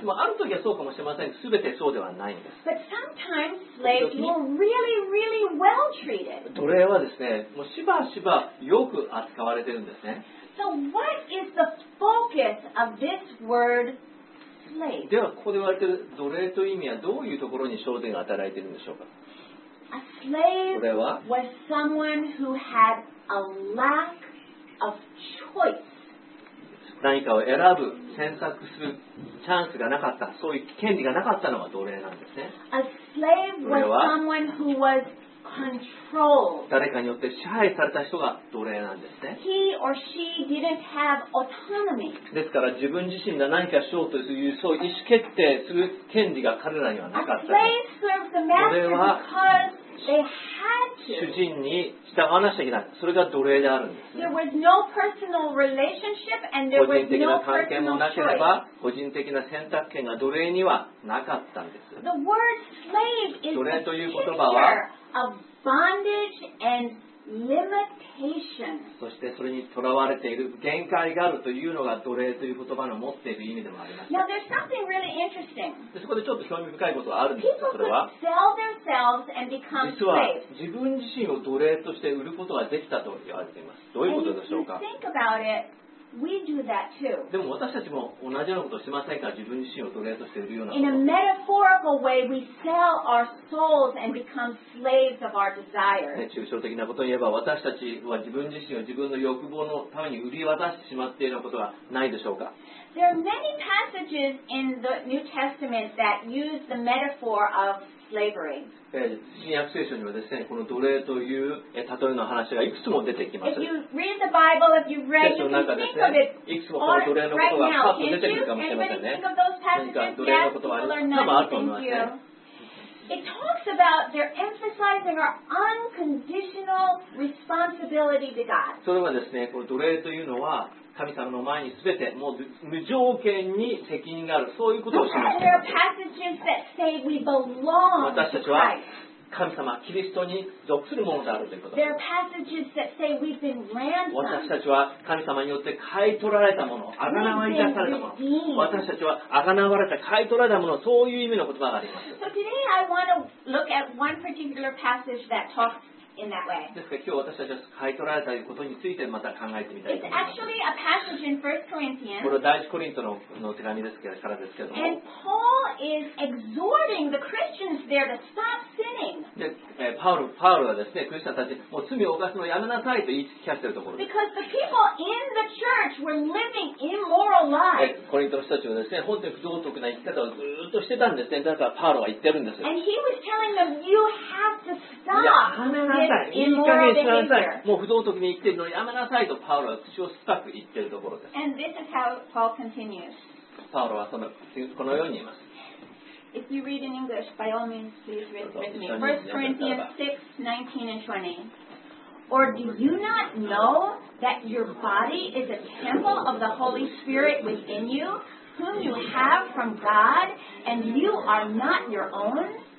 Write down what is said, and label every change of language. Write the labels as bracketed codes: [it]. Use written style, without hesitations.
[ja] でもある時はそうかもしれません。すべてそうではないんです。 [en] But sometimes slaves were really, really well treated. [ja] 奴隷はですね、もうしばしばよく扱われてるんですね。 [en] So what is the focus of this word slave? [ja] ではここで言われてる奴隷という意味はどういうところに焦点が当たられてるんでしょうか。 [en] A slave was someone who had a lack of choice. [ja] 何かを選ぶ、選択するチャンスがなかった、そういう権利がなかったのが奴隷なんですね。 [en] A slave was someone who was controlled. [ja] 誰かによって支配された人が奴隷なんですね。 [en] He or she didn't have autonomy. [ja] ですから自分自身が何かしようというそう意思決定する権利が彼らにはなかった。 [en] A slave served the master because they had to. [ja] 主人に従わなきゃいけない。それが奴隷であるんです。 [en] There was no personal relationship and there was no personal choice. [ja] 個人的な関係もなければ、個人的な選択権が奴隷にはなかったんです。 [en] The word slave is the picture of bondage and limitation. [ja] そしてそれにとらわれている限界があるというのが奴隷という言葉の持っている意味でもあります。 [en] Now there's something really interesting. [ja] そこでちょっと興味深いことがあるんです。それは、 [en] sell themselves and become slaves. [ja] 実は自分自身を奴隷として売ることができたと言われています。どういうことでしょうか？ [en] And if you think about it,We do that too. [ja] でも私たちも同じようなことをしませんか自分自身を奴隷としているようなこと [en] In a metaphorical way, we sell our souls and become slaves of our desires.、 [ja] ね、抽象的なことを言えば私たちは自分自身を自分の欲望のために売り渡してしまっているようなことはないでしょうか [en] There are many passages in the New Testament that use the metaphor of slavery. [ja] 新約聖書にはですね、この奴隷という例えの話がいくつも出てきます。 [en] If you read the Bible, if you've read, you can think of it. [ja] いくつもこの奴隷のことがパッと出てくるかもしれませんね。何か奴隷のことはあると思いますね。 [en] It talks about they're emphasizing our unconditional responsibility to God. [ja] それはですね、この奴隷というのは神様の前にすべてもう無条件に責任がある、そういうことを示しています。 [en] There are passages that say we belong to Christ. [ja] 私たちは神様、キリストに属するものであるということ。 [en] There are passages that say we've been ransomed. [ja] 私たちは神様によって買い取られたもの、あがなわり出されたもの。私たちはあがなわれた、買い取られたもの、そういう意味の言葉があります。 [en] So today I want to look at one particular passage that talks in that way. [ja] ですから今日私たちは買い取られたことについてまた考えてみたいと思います。 [en] It's actually a passage in 1 Corinthians. [ja] これは第一コリントの手紙ですからですけども。 [en] And Paul is exhorting the Christians there to stop sinning. [ja] で、パウロはですね、クリスチャンたちもう罪を犯すのをやめなさいと言い聞かせているところです。 [en] Because the people in the church were living immoral lives. [ja] コリントの人たちはですね、本当に不道徳な生き方をずっとしてたんですね。だからパウロは言ってるんですよ。 [en] And he was telling them, you have to stop. [ja] いい加減しなさい。もう不道徳に生きているのにやめなさいとパウロは口を深く言っているところです。 [en] And this is how Paul continues. [ja] パウロはこのように言います。 [en] If you read in English, by all means, please read with me. 1 Corinthians 6, 19 and 20. Or do you not know that your body is a temple of the Holy Spirit within you, whom you have from God, and you are not your own?